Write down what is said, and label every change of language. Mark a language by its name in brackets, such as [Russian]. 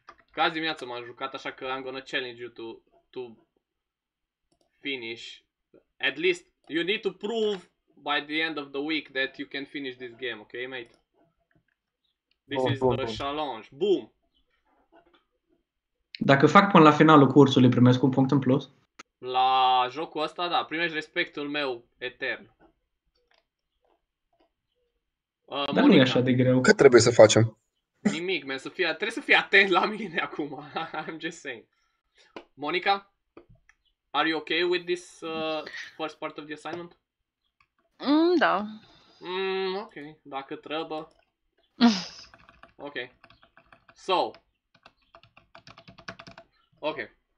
[Romanian] Că azi dimineață m-am jucat, așa că [English] I'm gonna challenge you to finish. At least, you need to prove by the end of the week that you can finish this game, okay, mate? This is the challenge. Boom! [Romanian] Dacă fac până la finalul cursului, primesc un punct în plus? La jocul ăsta, da, primești respectul meu etern. Dar nu e așa de greu. Cât trebuie să facem? Nimic, man. Trebuie să fii atent la mine acum. [English] I'm just saying. Monica? Are you okay with this first part of the assignment? [Romanian] Da. [English] Okay. [Romanian] Dacă trebuie. [English] Okay. So. Okay.